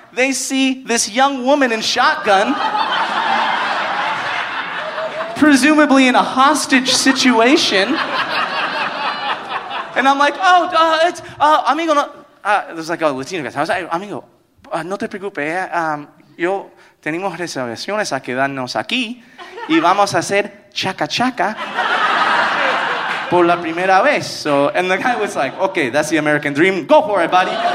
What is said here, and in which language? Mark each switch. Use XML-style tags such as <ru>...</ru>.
<en>They see this young woman in shotgun, presumably in a hostage situation. And I'm like, oh, amigo, no. There's like a Latino guy. I was like,</en> <es>amigo, no te preocupes. Yo tenemos reservaciones a quedarnos aquí y vamos a hacer chaca-chaca por la primera vez.</es> <en>So, and the guy was like, okay, that's the American dream. Go for it, buddy.</en>